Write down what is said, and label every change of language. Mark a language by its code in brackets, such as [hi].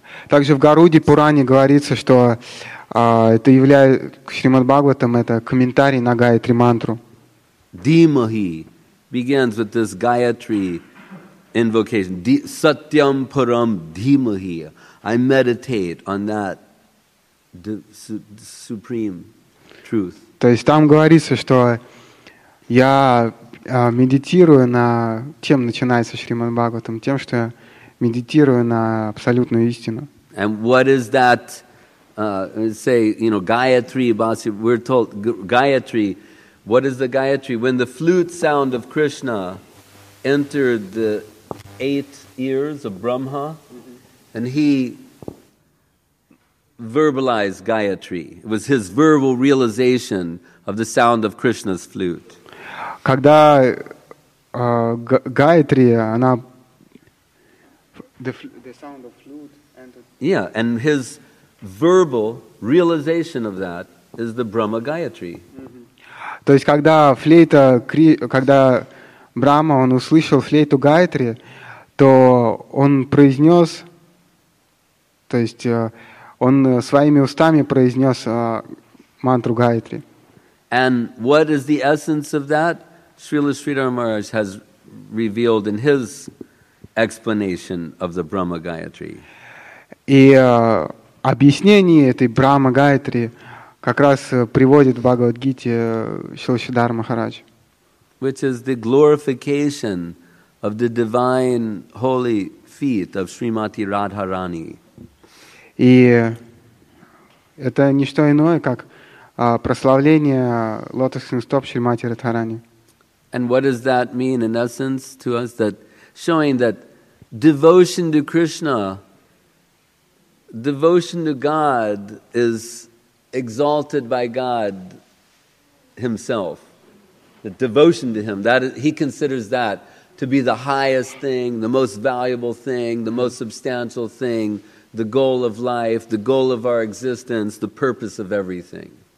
[ru] Также в Гаруди Пуране говорится, что это является Шримад Бхагаватам, это комментарий на Гаятри Мантру. [en] Dhimahi begins with this Gayatri invocation. Satyam Param Dhimahi. I meditate on that supreme truth. [ru] То есть там говорится, что я медитирую на тем, начинается Шримад Бхагаватам, тем, что я медитирую на абсолютную истину. [en] And what is that? Gayatri Basi. We're told Gayatri. What is the Gayatri? When the flute sound of Krishna entered the eight ears of Brahma, and he verbalized Gayatri. It was his verbal realization of the sound of Krishna's flute. [ru] Когда Гаятри, она [en] the sound of flute entered. Yeah, and his verbal realization of that is the Brahma Gayatri. [ru] То есть когда флейта, когда Брама он услышал флейту Гаятри, то он произнес, то есть он своими устами произнес мантру Гаятри. [en] And what is the essence of that? Srila Sridhar Maharaj has revealed in his explanation of the Brahma Gayatri. [ru] И объяснение этой Брахма Гаятри как раз приводит в Бхагавад-гите Шрила Сридхара Махарадж. [en] Which is the glorification of the divine holy feet of Srimati Radharani. [ru] И это не что иное, как прославление лотосных стоп Шримати Радхарани. [en] And what does that mean in essence to us? That showing that devotion to Krishna, devotion to God is exalted by God Himself. The devotion to Him, that is, He considers that to be the highest thing, the most valuable thing, the most substantial thing, the goal of life, the goal of our existence, the purpose of everything.